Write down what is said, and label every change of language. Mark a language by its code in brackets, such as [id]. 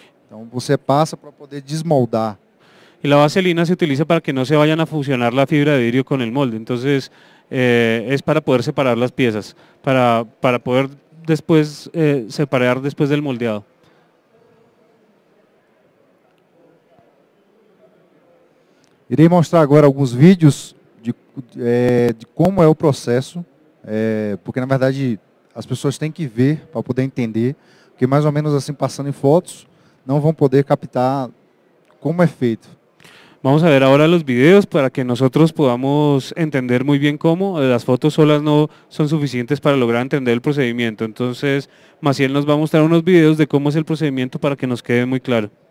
[es] Entonces, [pt] você [es] pasa para poder desmoldar. Y la vaselina se utiliza para que no se vayan a fusionar la fibra de vidrio con el molde. Entonces, es para poder separar las piezas, para poder después separar después del moldeado. [pt] Irei mostrar agora alguns vídeos de como é o processo, porque na verdade as pessoas têm que ver para poder entender, porque mais ou menos assim passando em fotos, não vão poder captar como é feito. [es] Vamos a ver ahora los videos para que nosotros podamos entender muy bien cómo. Las fotos solas no son suficientes para lograr entender el procedimiento. Entonces, Maciel nos va a mostrar unos videos de cómo es el procedimiento para que nos quede muy claro.